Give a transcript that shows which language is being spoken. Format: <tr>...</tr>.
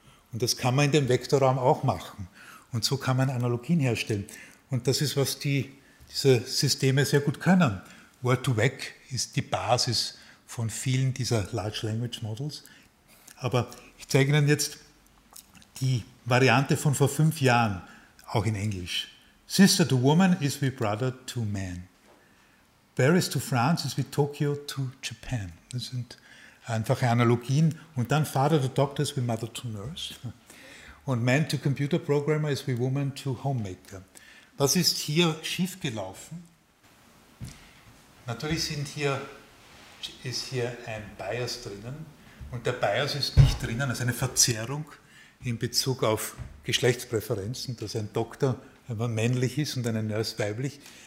<de>Und das kann man in dem Vektorraum auch machen. Und so kann man Analogien herstellen. Und das ist, was diese Systeme sehr gut können. Word-to-Vec ist die Basis von vielen dieser Large Language Models. Aber ich zeige Ihnen jetzt die Variante von vor 5 Jahren, auch in Englisch.</de> <en>Sister to woman is with brother to man. Paris to France is with Tokyo to Japan.</en> <de>Das sind einfache Analogien. Und dann</de> <en>father to doctor is with mother to nurse.</en> <de>Und</de> <en>man to computer programmer is with woman to homemaker.</en> <de>Was ist hier schiefgelaufen? Natürlich ist hier ein Bias drinnen. Und der Bias ist nicht drinnen, also eine Verzerrung in Bezug auf Geschlechtspräferenzen, dass ein Doktor männlich ist und eine Nurse weiblich.</de>